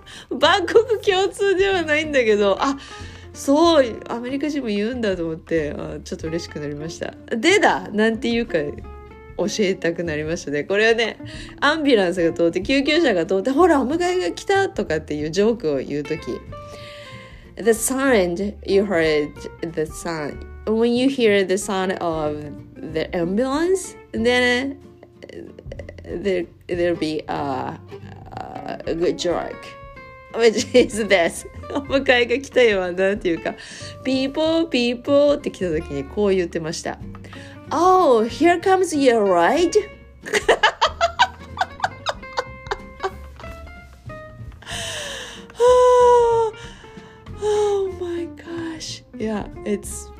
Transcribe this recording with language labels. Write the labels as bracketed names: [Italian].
[Japanese] 万国共通ではないんだけど、あ、そう、アメリカ人も言うんだと思って、あ、ちょっと嬉しくなりました。でだなんていうか教えたくなりましたね。これはね、アンビュランスが通って救急車が通って、ほらお迎えが来たとかっていうジョークを言うとき、 [English] The sound you heard, the soundWhen you hear the sound of the ambulance, then there'll be a good joke, which is this. [Japanese] お迎えが来たよはなんていうか、ピーポーピーポーって来た時にこう言ってました。 [English] Oh, here comes your ride. Oh my gosh. Yeah, it's...